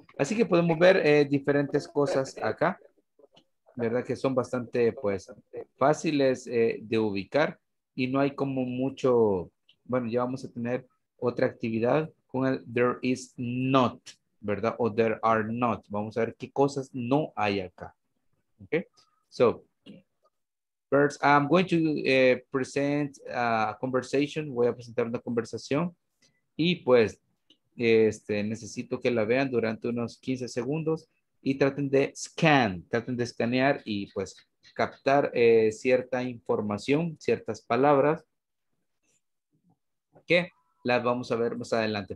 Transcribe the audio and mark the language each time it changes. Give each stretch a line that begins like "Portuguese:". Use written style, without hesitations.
Spanish: Así que podemos ver diferentes cosas acá, ¿verdad? Que son bastante, pues, fáciles de ubicar y no hay como mucho. Bueno, ya vamos a tener otra actividad con el there is not, ¿verdad? O there are not. Vamos a ver qué cosas no hay acá.
English: Ok. So, first, I'm going to present a conversation.
Spanish: Voy a presentar una conversación. Y pues, necesito que la vean durante unos 15 segundos. Y traten de scanear y pues captar cierta información, ciertas palabras, que las vamos a ver más adelante.